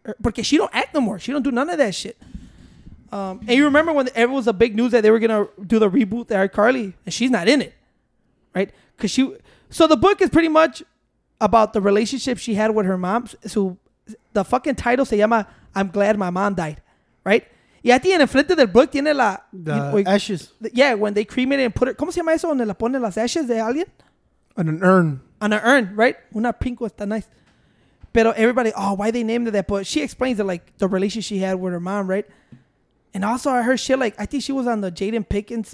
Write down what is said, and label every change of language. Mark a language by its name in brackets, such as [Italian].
[English] Porque she don't act no more. She don't do none of that shit. And you remember when it was a big news that they were going to do the reboot there, iCarly, and she's not in it, right? Because she... So the book is pretty much about the relationship she had with her mom. So the fucking title se llama I'm Glad My Mom Died, right? [Spanish] Y a ti en el frente del book tiene la... [English] ashes. Yeah, when they cremate it and put it... [Spanish] ¿Cómo se llama eso? ¿Donde la ponen las ashes de alguien? [English] On an urn. On an urn, right? Una pink was tan nice. Pero everybody, oh, why they named it that? But she explains it like the relationship she had with her mom, right? And also I heard shit like, I think she was on the Jaden Pickens...